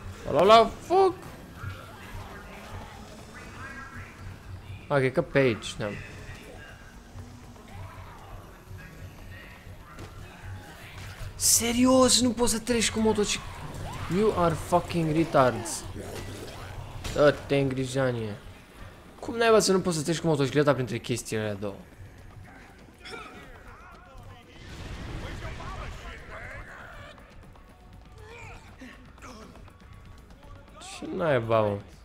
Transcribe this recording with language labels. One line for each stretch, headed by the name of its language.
Romanian: La fuck! Ok, că pe aici, da. Serios, nu poți să treci cu motocicleta.
English: You are fucking retards.
Romanian: Dă-te în grijanie. Cum naiba să nu poți să treci cu motocicleta printre chestiile alea două? Ce naiba, mă?